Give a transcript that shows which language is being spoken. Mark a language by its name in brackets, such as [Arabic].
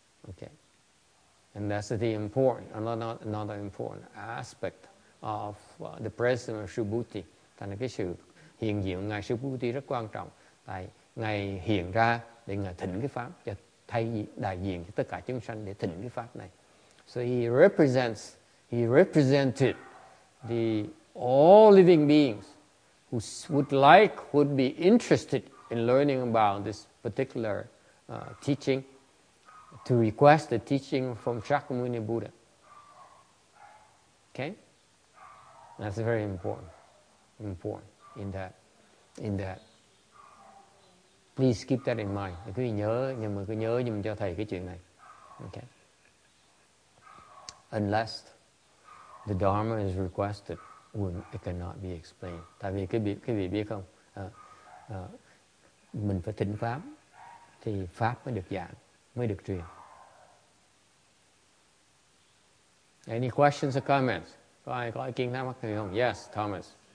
[English] Okay, and that's the important, another important aspect of the presence of Subhuti. [Vietnamese] Thành cái sự hiện diện ngài Subhuti rất quan trọng, tại ngài hiện ra để ngài thỉnh cái pháp, cho thay đại diện cho tất cả chúng sanh để thỉnh cái pháp này. [English] So he represented the all living beings who would be interested in learning about this particular teaching, to request the teaching from Shakyamuni Buddha. Okay? That's very important in that Please keep that in mind. [Vietnamese] Quý vị nhớ, nhưng mà cứ nhớ giùm cho thầy cái chuyện này. [English] Okay. Unless the Dharma is requested, it cannot be explained. [Vietnamese] Tại vì cái vị biết không? Mình phải thỉnh pháp thì pháp mới được giảng, mới được truyền. [English] Any questions or comments? [Vietnamese] Có ai có ý kiến thắc mắc gì không? [English] Yes, Thomas.